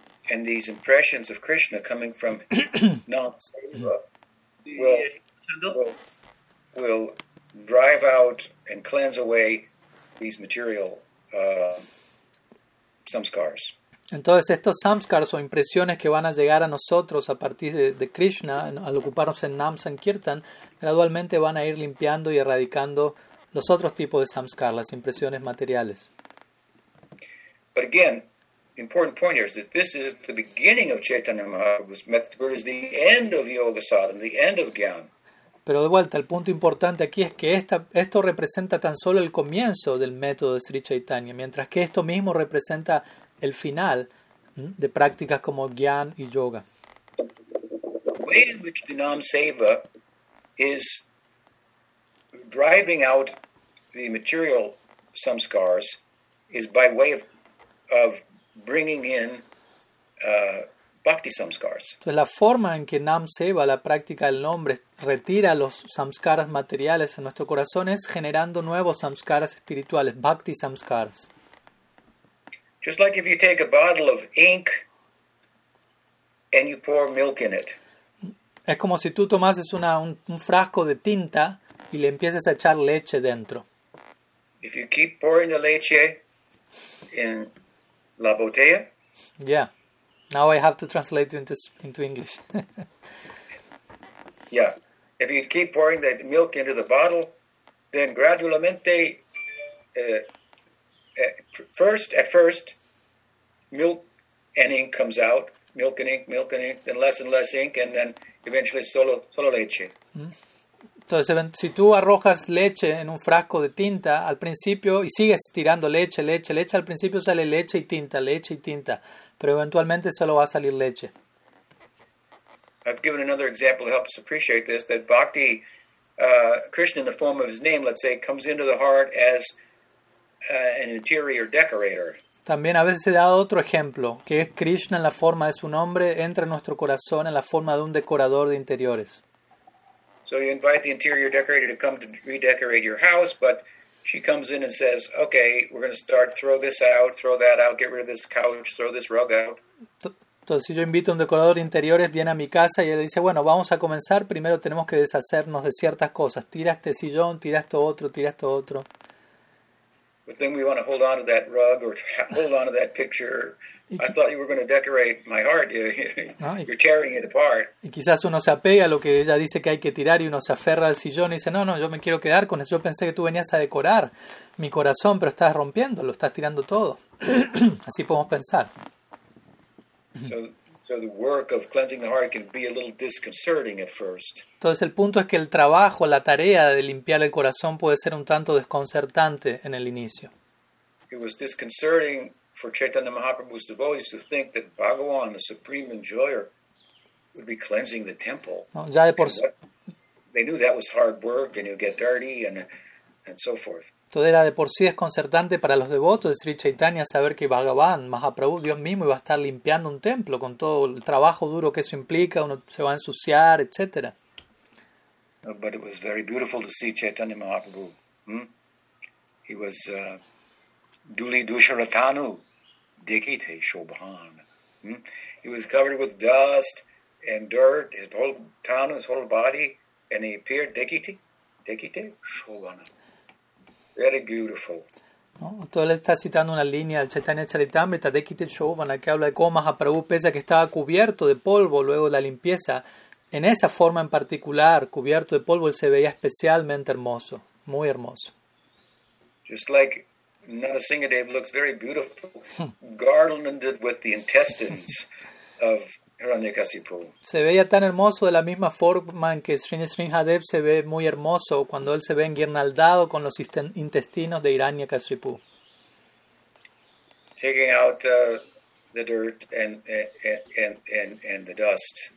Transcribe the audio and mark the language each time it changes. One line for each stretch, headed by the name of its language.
English: And these impressions of Krishna coming from will drive out and cleanse away these material samskaras.
Spanish: Entonces estos samskaras o impresiones que van a llegar a nosotros a partir de Krishna al ocuparnos en Nam Sankirtan gradualmente van a ir limpiando y erradicando los otros tipos de samskaras, las impresiones materiales.
English: But again, the important point here is that this is the beginning of Chaitanya Mahaprabhu's method, but it is the end of Yoga Sadhana, the end of Gyan.
Spanish: Pero de vuelta, el punto importante aquí es que esto representa tan solo el comienzo del método de Sri Chaitanya, mientras que esto mismo representa el final de prácticas como Gyan y Yoga.
English: The way in which the Nam Seva is driving out the material samskaras is by way of bringing in bhakti samskaras.
Spanish: Entonces la forma en que Nam Seva, la práctica del nombre, retira los samskaras materiales a nuestro corazón es generando nuevos samskaras espirituales, bhakti samskaras.
English: Just like if you take a bottle of ink and you pour milk in it.
Spanish: Es como si tú tomases un frasco de tinta y le empieces a echar leche dentro.
English: If you keep pouring the
Spanish: leche
English: in
Spanish: la botella.
English: Yeah. Now I have to translate you into English. Yeah. If you keep pouring the milk into the bottle, then
Spanish: gradualmente,
English: at first, milk and ink comes out. Milk and ink, then less and less ink, and then eventually
Spanish: solo leche. Entonces, si tú arrojas leche en un frasco de tinta, al principio, y sigues tirando leche, leche, leche, al principio sale leche y tinta, leche y tinta, pero eventualmente solo va a salir leche.
English: I've given another example to help us appreciate this, that bhakti, Krishna in the form of his name, let's say, comes into the heart as an interior decorator.
Spanish: También a veces se da otro ejemplo, que es Krishna en la forma de su nombre, entra en nuestro corazón en la forma de un decorador de interiores.
English: So you invite the interior decorator to come to redecorate your house, but she comes in and says, okay, we're going to start, throw this out, throw that out, get rid of this couch, throw this rug out.
Spanish: Entonces, si yo invito a un decorador de interiores, viene a mi casa y él dice, bueno, vamos a comenzar, primero tenemos que deshacernos de ciertas cosas. Tira este sillón, tira esto otro, tira esto otro.
English: But then we want to hold on to that rug or hold on to that picture. I thought you were going to decorate my heart. You're tearing it apart.
Spanish: Y quizás uno se apega a lo que ella dice que hay que tirar y uno se aferra al sillón y dice, no, no, yo me quiero quedar con eso. Yo pensé que tú venías a decorar mi corazón, pero estás rompiendo, lo estás tirando todo. Así podemos pensar.
English: So the work of cleansing the heart can be a little disconcerting at first.
Spanish: Entonces el punto es que el trabajo, la tarea de limpiar el corazón puede ser un tanto desconcertante en el inicio.
English: It was disconcerting for Chaitanya Mahaprabhu's devotees to think that Bhagavan, the supreme enjoyer, would be cleansing the temple. They knew that was hard work and you get dirty and so forth.
Spanish: Todo era de por sí desconcertante para los devotos de Sri Chaitanya saber que Bhagavan, Mahaprabhu, Dios mismo, iba a estar limpiando un templo con todo el trabajo duro que eso implica, uno se va a ensuciar, etc.
English: But it was very beautiful to see Chaitanya Mahaprabhu. He was
Bangla: duli dusharatanu dikite shobhan.
English: He was covered with dust and dirt, his whole tanu, his whole body, and he appeared dikite shobhan. Very beautiful.
Spanish: ¿No? Entonces él está citando una línea del Chaitanya Charitamrita, Dekite Shobhana, que habla de cómo Mahaprabhu, pese a que estaba cubierto de polvo luego de la limpieza, en esa forma en particular, cubierto de polvo, él se veía especialmente hermoso, muy hermoso.
English: Just like Narasimhadev looks very beautiful, garlanded with the intestines of Hiranyakasipu.
Spanish: Se veía tan hermoso de la misma forma en que Srinisrinjadev se ve muy hermoso cuando él se ve enguirnaldado con los intestinos de Hiranyakasipu.
English: Taking out the dirt and the dust.